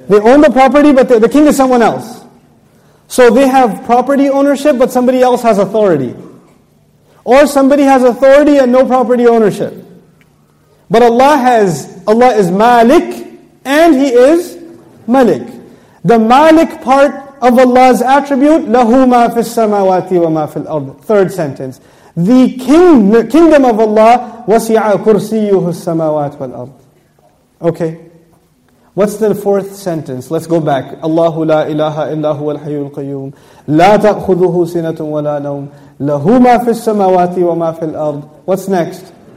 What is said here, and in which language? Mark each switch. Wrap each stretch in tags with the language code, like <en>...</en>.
<en>They own the property but the king is someone else. So they have property ownership but somebody else has authority. Or somebody has authority and no property ownership. But Allah is Malik and He is Malik. The Malik part of Allah's attribute,</en> <ar>لَهُ مَا فِي السَّمَاوَاتِ وَمَا فِي الْأَرْضِ.</ar> <en>Third sentence. The kingdom of Allah,</en> <ar>وَسِعَ كُرْسِيُّهُ السَّمَاوَاتِ وَالْأَرْضِ.</ar> <en>Okay. What's the fourth sentence? Let's go back.</en> <ar>اللَّهُ لَا إِلَهَ إِلَّا هُوَ الْحَيُّ الْقَيُّومُ لَا تَأْخُذُهُ سِنَةٌ وَلَا نَوْمٌ لَهُ مَا فِي السَّمَاوَاتِ وَمَا فِي الْأَرْضِ.</ar> <en>What's next?</en>